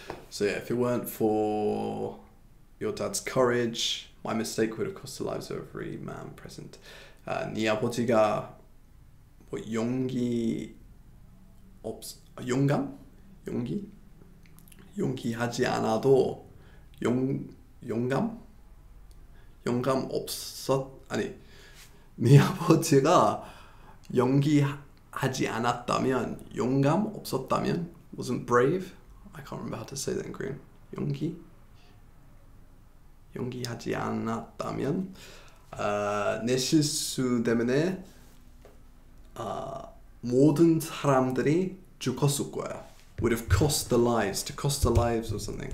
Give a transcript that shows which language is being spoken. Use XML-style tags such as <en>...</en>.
<en>So yeah, if it weren't for your dad's courage, my mistake would have cost the lives of every man present.</en> <ko>네 아버지가 뭐 용기 없 용감 용기 용기하지 않아도 용 용감 용감 없었 아니 네 아버지가 용기하지 않았다면 용감 없었다면</ko> <en>wasn't brave. I can't remember how to say that in Korean.</en> <ko>용기 용기하지 않았다면 내 실수 때문에 모든 사람들이 죽었을 거야.</ko> <en>Would have cost the lives to cost the lives or something.</en>